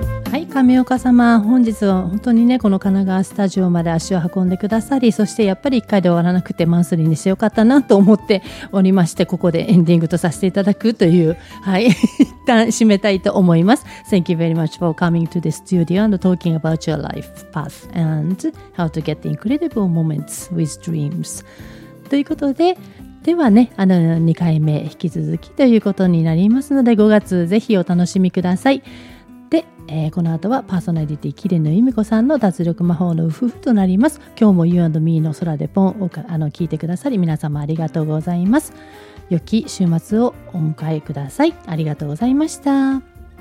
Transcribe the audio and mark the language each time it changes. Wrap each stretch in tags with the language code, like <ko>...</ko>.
<ja>はい、亀岡様、本日は本当にねこの神奈川スタジオまで足を運んでくださり、そしてやっぱり1回で終わらなくてマンスリーにしてよかったなと思っておりまして、ここでエンディングとさせていただくという、はい一旦締めたいと思います。</ja> <en>Thank you very much for coming to the studio and talking about your life path and how to get incredible moments with dreams</en> <ja>ということで、ではね2回目引き続きということになりますので、5月ぜひお楽しみください。で、この後はパーソナリティキレノユミコさんの脱力魔法のウフフとなります。今日も You and Me の空でポンを聞いてくださり皆様ありがとうございます。良き週末をお迎えください。ありがとうございました。</ja>